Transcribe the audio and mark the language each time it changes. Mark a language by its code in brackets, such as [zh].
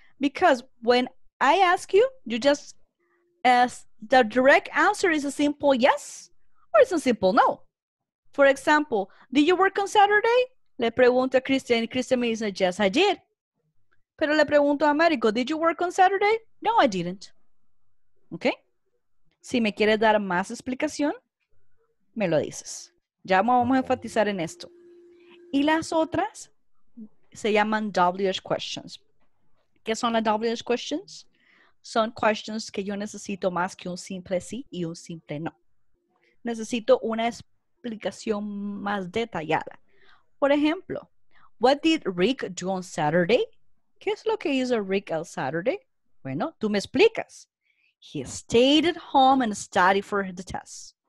[en] Because when I ask you, you just ask, the direct answer is a simple yes or it's a simple no. For example, did you work on Saturday? [es] Le pregunto a Christian y Christian me dice, [en] yes, I did. [es] Pero le pregunto a Mariko, [en] did you work on Saturday? No, I didn't. Okay? [es] Si me quieres dar más explicación, me lo dices. Ya vamos a enfatizar en esto. Y las otras se llaman WH questions. ¿Qué son las WH questions? Son questions que yo necesito más que un simple sí y un simple no. Necesito una explicación más detallada. Por ejemplo, [en] what did Rick do on Saturday? [es] ¿Qué es lo que hizo Rick el Saturday? Bueno, tú me explicas. [en] He stayed at home and studied for the test.